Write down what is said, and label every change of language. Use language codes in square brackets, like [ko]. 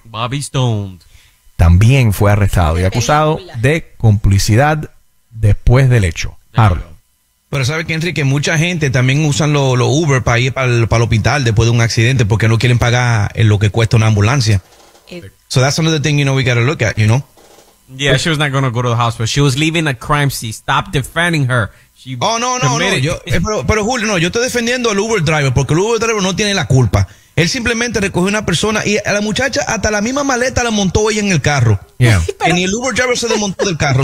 [es] Bobby Stone. También fue arrestado y acusado de complicidad después del hecho. Harlow. Pero sabe que, Enrique, mucha gente también usan lo Uber para ir para el hospital después de un accidente porque no quieren pagar lo que cuesta una ambulancia. [en] So that's another thing, you know, we gotta look at, you know? Yeah, she was not gonna go to the hospital. She was leaving a crime scene. Stop defending her. No. [es] Pero Julio, no, yo estoy defendiendo al Uber driver porque el Uber driver no tiene la culpa. Él simplemente recogió una persona y a la muchacha hasta la misma maleta la montó ella en el carro. Yeah. Pero, y el Uber driver se desmontó del carro.